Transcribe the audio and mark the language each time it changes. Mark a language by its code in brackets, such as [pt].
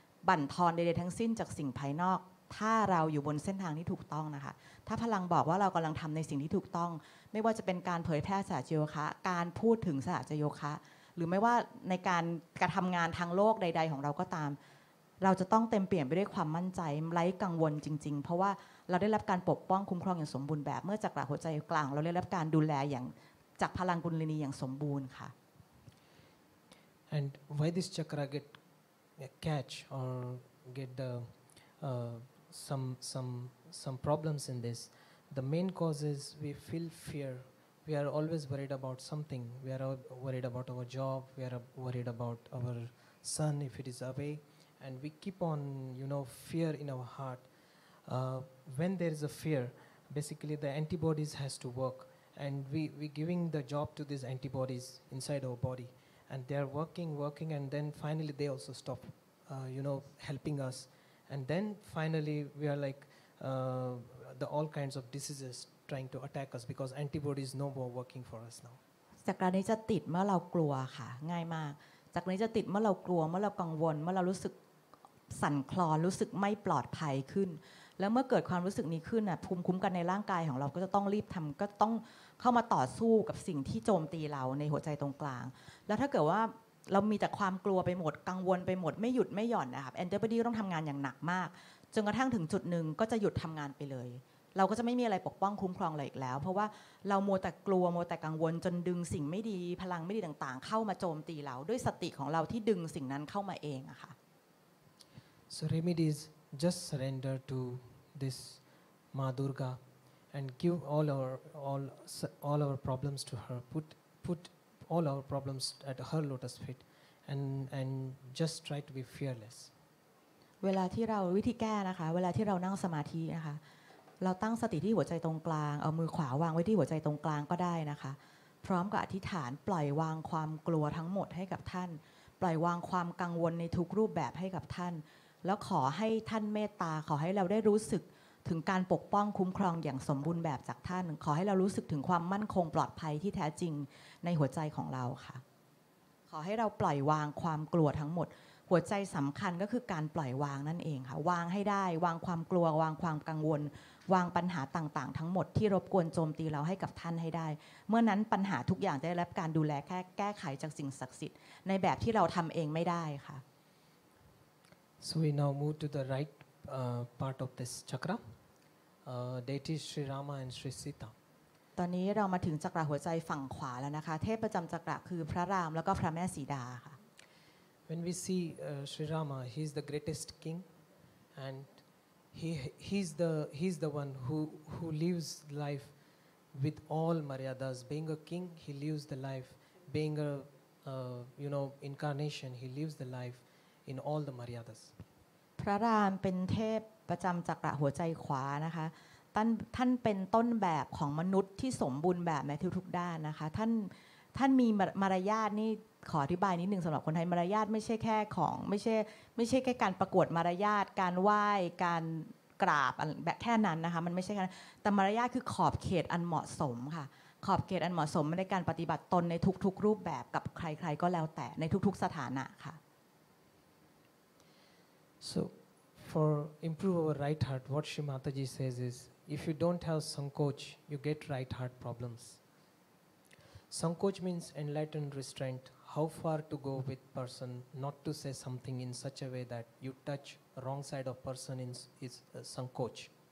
[th] บั่นทอนใดๆทั้งสิ้นจากสิ่งภายนอกถ้าเราอยู่บนเส้นทางที่ถูกต้องนะคะถ้าพลังบอกว่าเรากำลังทำในสิ่งที่ถูกต้องไม่ว่าจะเป็นการเผยแพร่สหจโยคะการพูดถึงสหจโยคะหรือไม่ว่าในการกระทำงานทางโลกใดๆของเราก็ตามเราจะต้องเต็มเปี่ยมไปด้วยความมั่นใจไร้กังวลจริงๆเพราะว่าเราได้รับการปกป้องคุ้มครองอย่างสมบูรณ์แบบเมื่อจากหัวใจกลางเราได้รับการดูแลอย่างจากพลังกุลินีอย่างสมบูรณ์ค่ะ [en] And why this chakra get catch or get the some problems in this the main cause is we feel fear we are always worried about something we are worried about our job we are worried about our son if it is awayAnd we keep on, you know, fear in our heart. When there is a fear, basically the antibodies has to work. And we're giving the job to these antibodies inside our body. And they're working, and then finally they also stop, you know, helping us. And then finally we are like the all kinds of diseases trying to attack us because antibodies no more working for us now. [th] จากการนี้จะติดเมื่อเรากลัวค่ะง่ายมากจากนี้จะติดเมื่อเรากลัวเมื่อเรากังวลเมื่อเรารู้สึกสั่นคลอนรู้สึกไม่ปลอดภัยขึ้นแล้วเมื่อเกิดความรู้สึกนี้ขึ้นน่ะภูมิคุ้มกันในร่างกายของเราก็จะต้องรีบทำก็ต้องเข้ามาต่อสู้กับสิ่งที่โจมตีเราในหัวใจตรงกลางแล้วถ้าเกิดว่า เรามีแต่ความกลัวไปหมดกังวลไปหมดไม่หยุดไม่หย่อนนะครับแอนติบอดีต้องทำงานอย่างหนักมากจนกระทั่งถึงจุดหนึ่งก็จะหยุดทำงานไปเลยเราก็จะไม่มีอะไรปกป้องคุ้มครองเราอีกแล้วเพราะว่าเรามัวแต่กลัวมัวแต่กังวลจนดึงสิ่งไม่ดีพลังไม่ดีต่างๆเข้ามาโจมตีเราด้วยสติของเราที่ดึงสิ่งนั้นเข้ามาเองอะค่ะ [en] So remedy is just surrender to this Ma Durga and give all our problems to her. Put all our problems at her lotus feet and just try to be fearless. [th] เวลาที่เราวิธีแก้นะคะเวลาที่เรานั่งสมาธินะคะเราตั้งสติที่หัวใจตรงกลางเอามือขวาวางไว้ที่หัวใจตรงกลางก็ได้นะคะพร้อมกับอธิษฐานปล่อยวางความกลัวทั้งหมดให้กับท่านปล่อยวางความกังวลในทุกรูปแบบให้กับท่านแล้วขอให้ท่านเมตตาขอให้เราได้รู้สึกถึงการปกป้องคุ้มครองอย่างสมบูรณ์แบบจากท่านขอให้เรารู้สึกถึงความมั่นคงปลอดภัยที่แท้จริงในหัวใจของเราค่ะ ขอให้เราปล่อยวางความกลัวทั้งหมดหัวใจสำคัญก็คือการปล่อยวางนั่นเองค่ะวางให้ได้วางความกลัววางความกังวลวางปัญหาต่างๆทั้งหมดที่รบกวนโจมตีเราให้กับท่านให้ได้เมื่อนั้นปัญหาทุกอย่างจะได้รับการดูแลแก้ไขจากสิ่งศักดิ์สิทธิ์ในแบบที่เราทำเองไม่ได้ค่ะ [en] So we now move to the right part of this chakra. Deity Sri Rama and Sri Sita. [th] ตอนนี้เรามาถึงจักรหัวใจฝั่งขวาแล้วนะคะเทพประจำจักรคือพระรามแล้วก็พระแม่สีดาค่ะ [en] when we see Sri Rama, he's the greatest king, and he's the one who lives life with all maryadas. Being a king, he lives the life. Being a incarnation, he lives the life in all the maryadas. [th] พระรามเป็นเทพประจำจักรหัวใจขวานะคะท่านเป็นต้นแบบของมนุษย์ที่สมบูรณ์แบบในทุกๆด้านนะคะท่านมีมารยาทนี่ขออธิบายนิดนึงสำหรับคนไทยมารยาทไม่ใช่แค่ของไม่ใช่แค่การประกวดมารยาทการไหว้การกราบแค่นั้นนะคะมันไม่ใช่แค่แต่มารยาทคือขอบเขตอันเหมาะสมค่ะขอบเขตอันเหมาะสมในการปฏิบัติตนในทุกๆรูปแบบกับใครๆก็แล้วแต่ในทุกๆสถานะค่ะ [en] So for improve our right heart what Shri Mataji says is if you don't have sankoch you get right heart problems sankoch means enlightened restraint how far to go with person not to say something in such a way that you touch wrong side of person is sankoch